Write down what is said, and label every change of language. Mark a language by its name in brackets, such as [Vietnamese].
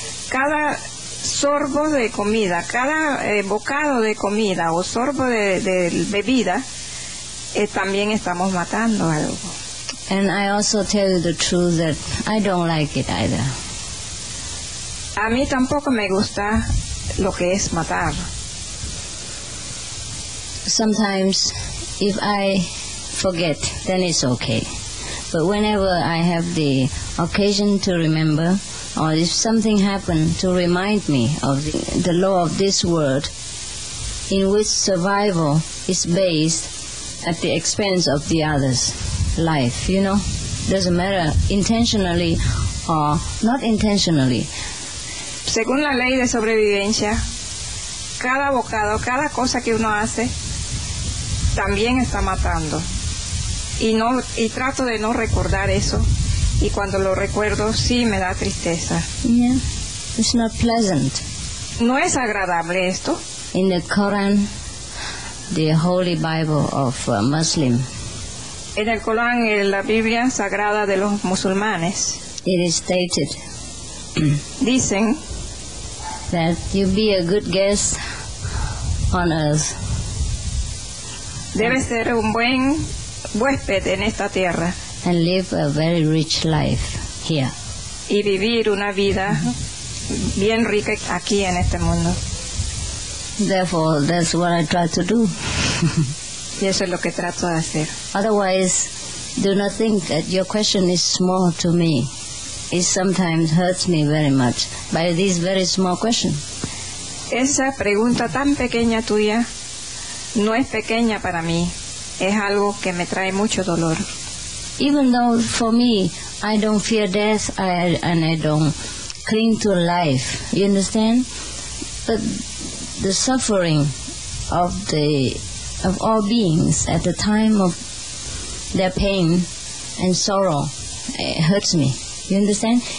[Spanish] Cada sorbo de comida, cada bocado de comida o sorbo de bebida, también estamos matando algo. [English] And I also tell you the truth that I don't like it either. [Spanish] A mí tampoco me gusta lo que es matar. [English] Sometimes, if I forget, then it's okay. But whenever I have the occasion to remember, or if something happened to remind me of the law of this world, in which survival is based at the expense of the other's life, you know? Doesn't matter, intentionally or not intentionally. [Spanish] Según la ley de sobrevivencia, cada bocado, cada cosa que uno hace, también está matando. Y trato de no recordar eso. Y cuando lo recuerdo, sí me da tristeza. [English] Yeah, it's not pleasant. [Spanish] No es agradable esto. [English] In the Quran, the Holy Bible of Muslim. [Spanish] En el Corán, en la Biblia sagrada de los musulmanes. [English] It is stated. [Spanish] Dicen. [English] That you be a good guest on earth. [Spanish] Debes ser un buen huésped en esta tierra. [English] And live a very rich life here. [Spanish] Y vivir una vida bien rica aquí en este mundo. [English] Therefore, that's what I try to do. [Spanish] Y eso es lo que trato de hacer. [English] Otherwise, do not think that your question is small to me. It sometimes hurts me very much by this very small question. [Spanish] Esa pregunta tan pequeña tuya no es pequeña para mí. Es algo que me trae mucho dolor. [English] Even though for me, I don't fear death and I don't cling to life, you understand? But the suffering of all beings at the time of their pain and sorrow, it hurts me. You understand?